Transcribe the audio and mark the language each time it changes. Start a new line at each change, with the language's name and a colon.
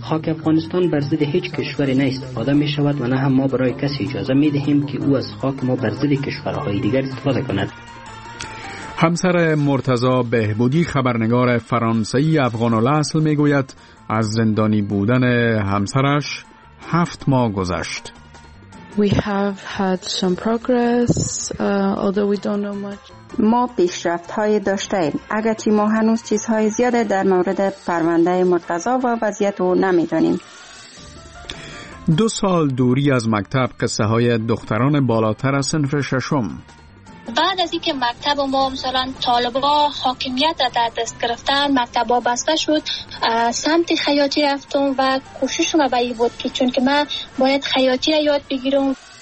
Persian: خاک افغانستان بر ضد هیچ کشوری نه استفاده می شود و نه هم ما برای کسی اجازه می دهیم که او از خاک ما بر ضد کشورهای دیگر استفاده کند. همسر مرتضی بهبودی خبرنگار فرانسوی افغان الاصل می گوید از زندانی بودن همسرش 7 ماه گذشت.
English: We have had some progress, although we don't know much.
Persian: ما پیشرفت‌های داشته‌ایم، اگرچه ما هنوز چیزهای زیاده در مورد پرونده مرتضی و وضعیت او نمی‌دانیم. دو سال دوری از مکتب، قصه های دختران بالاتر از صنف ششم. بعد از اینکه مکتب ما مثلا طالبا حاکمیت را در دست گرفتن، مکتب ها بسته شد، سمت خیاطی رفتم و کوششم به این بود که چون که من باید خیاطی را یاد بگیرم.